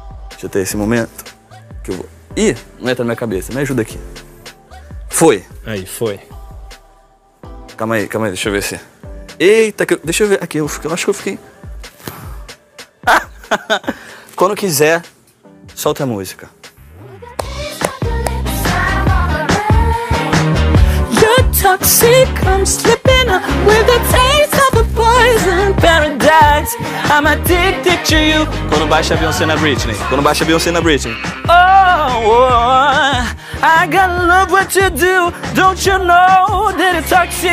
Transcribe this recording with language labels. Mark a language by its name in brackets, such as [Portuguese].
[Portuguese] Deixa eu ter esse momento. Que eu vou... Ih, não entra na minha cabeça. Me ajuda aqui. Foi. Aí, foi. Calma aí. Deixa eu ver se... Eita, que... deixa eu ver. Aqui, eu acho que eu fiquei... Quando quiser, solta a música. [English] Toxic, I'm slipping with the taste of a poison paradise. I'm addicted to you. [Portuguese] Quando baixa a Beyoncé na Britney. Quando baixa a Beyoncé na Britney. [English] Oh, I gotta love what you do. Don't you know that it's toxic?